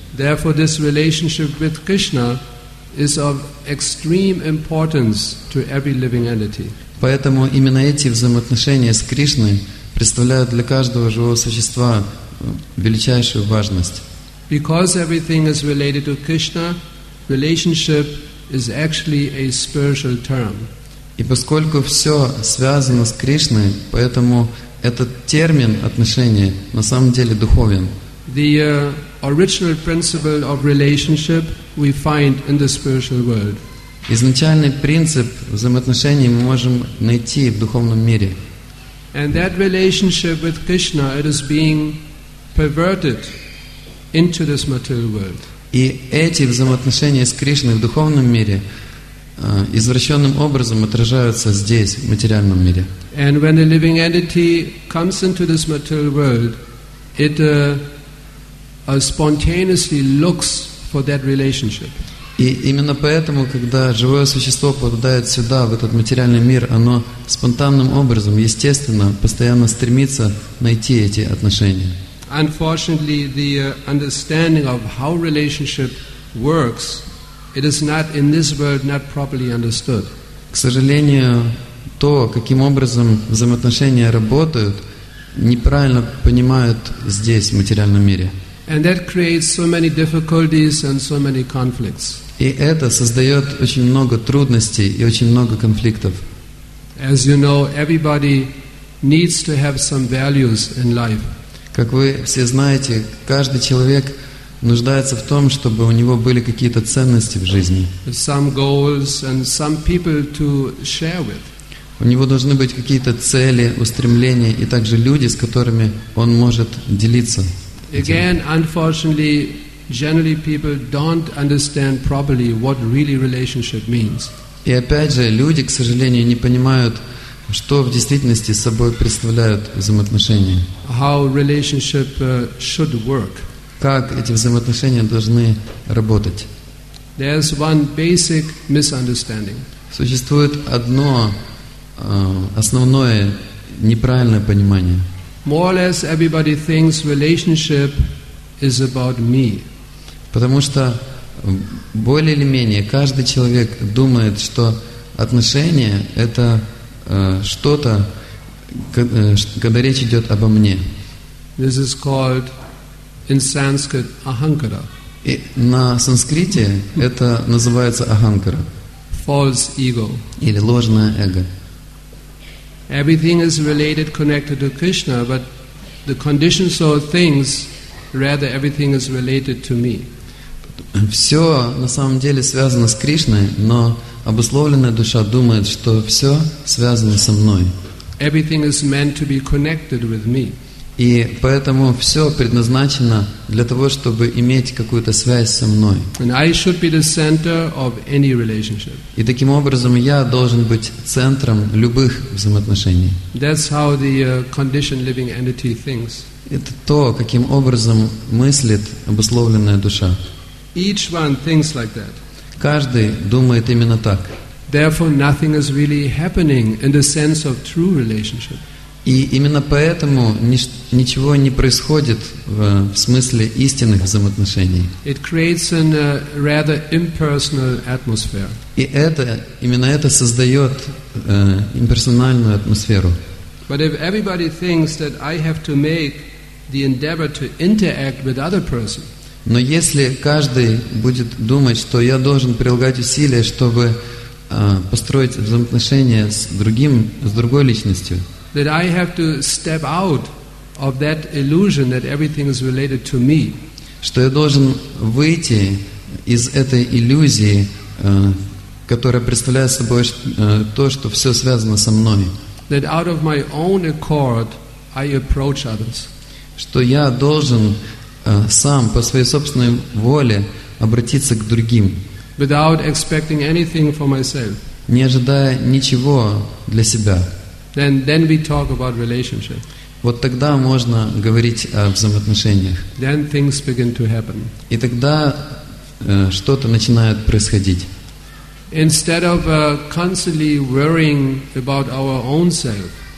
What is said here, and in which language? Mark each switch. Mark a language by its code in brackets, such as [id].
[en] Therefore, this relationship with Krishna is of extreme importance to every living entity. [ru] Поэтому именно эти взаимоотношения с Кришной представляют для каждого живого существа величайшую важность. [en] Because everything is related to Krishna, relationship is actually a spiritual term. [ru] И поскольку все связано с Кришной, поэтому этот термин отношения на самом деле духовен. [en] The original principle of relationship we find in the spiritual world. [ru] Изначальный принцип взаимоотношений мы можем найти в духовном мире. [en] And that relationship with Krishna, it is being perverted into this material world. [ru] И эти взаимоотношения с Кришной в духовном мире извращенным образом отражаются здесь, в материальном мире. [en] And when a living entity comes into this material world, it spontaneously looks for that relationship. [ru] И именно поэтому, когда живое существо попадает сюда, в этот материальный мир, оно спонтанным образом, естественно, постоянно стремится найти эти отношения. [en] Unfortunately, the understanding of how relationship works, it is not in this world not properly understood. [ru] К сожалению, то, каким образом взаимоотношения работают, неправильно понимают здесь, в материальном мире. [en] And that creates so many difficulties and so many conflicts. [ru] И это создает очень много трудностей и очень много конфликтов. [en] As you know, everybody needs to have some values in life. [ru] Как вы все знаете, каждый человек нуждается в том, чтобы у него были какие-то ценности в жизни. [en] Some goals and some people to share with. [ru] У него должны быть какие-то цели, устремления и также люди, с которыми он может делиться. [en] Again, unfortunately, generally people don't understand properly what really relationship means. [ru] И опять же, люди, к сожалению, не понимают, что в действительности собой представляют взаимоотношения. [en] How relationship should work. [ru] Как эти взаимоотношения должны работать. [en] There's one basic misunderstanding. [ru] Существует одно основное неправильное понимание. [en] More or less everybody thinks relationship is about me. [ru] Потому что более или менее каждый человек думает, что отношения — это что-то, когда речь идет обо мне. [en] This is called in Sanskrit ahankara. [ru] И на санскрите это называется ahankara. [en] False ego. [ru] Или ложное эго. [en] Everything is related, connected to Krishna, but the conditions of things, rather everything is related to me. [ru] Все на самом деле связано с Кришной, но обусловленная душа думает, что все связано со мной. [en] Everything is meant to be connected with me. [ru] И поэтому все предназначено для того, чтобы иметь какую-то связь со мной. [en] And I should be the center of any relationship. [ru] И таким образом я должен быть центром любых взаимоотношений. [en] That's how the conditioned living entity thinks. [ru] Это то, каким образом мыслит обусловленная душа. [en] Each one thinks like that. [ru] Каждый думает именно так. [en] Therefore, nothing is really happening in the sense of true relationship. [ru] И именно поэтому ничего не происходит в смысле истинных взаимоотношений. [en] It creates an, rather impersonal atmosphere. [ru] И это, именно это создает имперсональную атмосферу. [en] But if everybody thinks that I have to make the endeavor to interact with other person. [ru] Но если каждый будет думать, что я должен прилагать усилия, чтобы построить взаимоотношения с другим, с другой личностью. [en] That I have to step out of that illusion that everything is related to me. [ru] Что я должен выйти из этой иллюзии, которая представляет собой то, что все связано со мной. [en] That out of my own accord I approach others. [ru] Что я должен сам по своей собственной воле обратиться к другим. [en] Without expecting anything for myself. [ru] Не ожидая ничего для себя. [en] Then we talk about relationship. [ru] Вот тогда можно говорить о взаимоотношениях. [en] Then things begin to happen. [ru] И тогда что-то начинает происходить. [en] Instead of constantly worrying about our own self.